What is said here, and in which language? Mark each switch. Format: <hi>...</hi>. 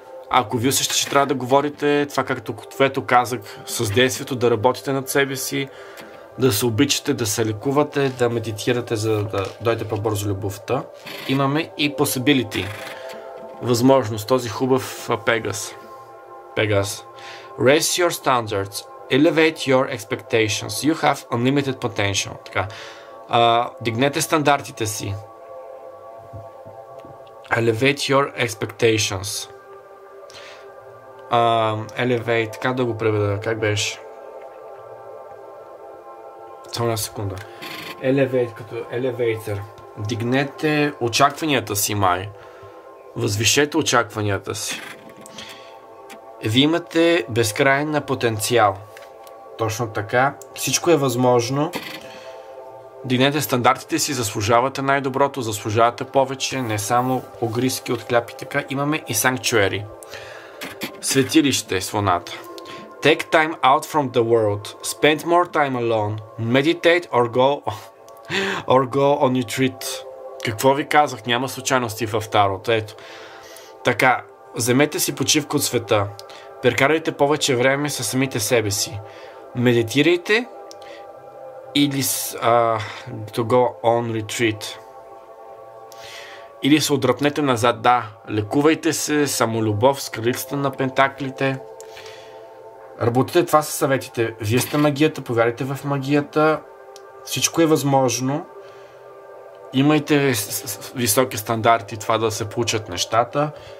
<bg>Ако ви усещате, че трябва да говорите това, както което казах, с действието, да работите над себе си, да се обичате, да се лекувате, да медитирате, за да дойде по-бързо любовта. Имаме и possibility. Възможност, този хубав Пегас.</bg> <en>Пегас. Raise your standards. Elevate your expectations. You have unlimited potential.</en> <bg>Така. Дигнете стандартите си.</bg> <en>Elevate your expectations.</en> <bg>Elevate. Как да го преведа? Как беше? Само една секунда.</bg> <en>Elevate като elevator.</en> <bg>Дигнете очакванията си, май. Възвишете очакванията си. Вие имате безкрайен потенциал. Точно така. Всичко е възможно. Дигнете стандартите си, заслужавате най-доброто, заслужавате повече, не само огризки от хляб и така. Имаме и sanctuary. Светилище с луната.</bg> <en>Take time out from the world. Spend more time alone. Meditate or go on retreat.</en> <bg>Какво ви казах? Няма случайности в тарото. Ето. Така, вземете си почивка от света. Прекарайте повече време със самите себе си. Медитирайте или</bg> <en>to go on retreat.</en> <bg>Или се отдръпнете назад. Да, лекувайте се, самолюбов с кралицата на пентаклите. Работете това със съветите. Вие сте магията, повярвайте в магията. Всичко е възможно. Имайте високи стандарти, това да се получат нещата.</bg>